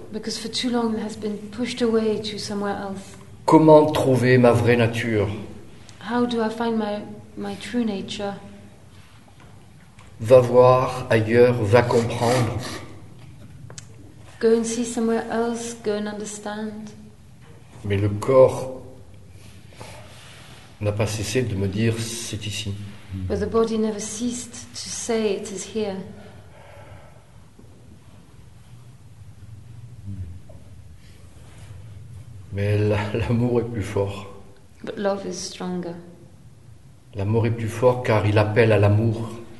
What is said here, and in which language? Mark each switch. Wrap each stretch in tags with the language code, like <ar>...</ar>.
<en>Because for too long it has been pushed away to somewhere else.</en> <fr>Comment trouver ma vraie nature?</fr> <en>How do I find my true nature?</en> <fr>Va voir ailleurs, va comprendre.</fr> <en>Go and see somewhere else, go and understand.</en> <fr>Mais le corps n'a pas cessé de me dire c'est ici.</fr> <en>But the body never ceased to say it is here.</en> <fr>Mais l'amour est plus fort.</fr> <en>But love is stronger.</en> <fr>L'amour est plus fort car il appelle à l'amour.</fr>